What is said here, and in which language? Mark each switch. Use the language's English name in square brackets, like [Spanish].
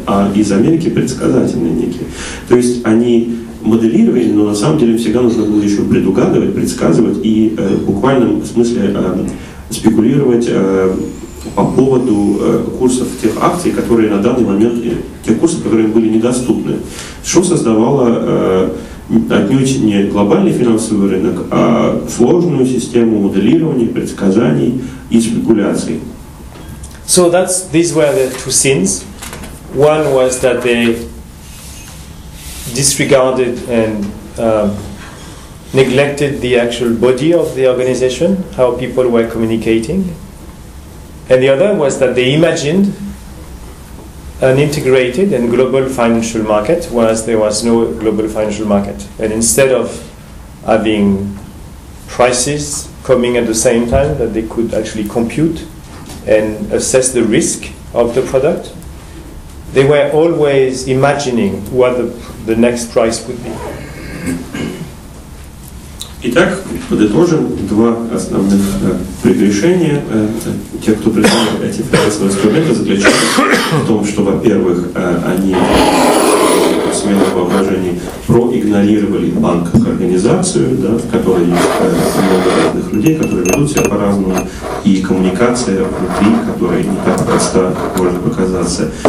[Russian] А из Америки предсказательные некие. То есть они моделировали, но на самом деле всегда нужно было еще предугадывать, предсказывать и в буквальном смысле спекулировать по поводу курсов тех акций, которые на данный момент, тех курсов, которые им были недоступны. Что создавало отнюдь не глобальный финансовый рынок, а сложную систему моделирования, предсказаний и спекуляций. [English] So these were the two sins. One was that they disregarded and neglected the actual body of the organization, how people were communicating. And the other was that they imagined an integrated and global financial market, whereas there was no global financial market. And instead of having prices coming at the same time that they could actually compute and assess the risk of the product, they were always imagining what the next price would be. [Russian] Итак, подытожим два основных прегрешения. Те, кто придумал эти финансовые инструменты, заключаются в том, что, во-первых, они смело воображение проигнорировали банк как организацию, да, в которой есть много разных людей, которые ведут себя по-разному, и коммуникация внутри, которая не так проста, как может показаться.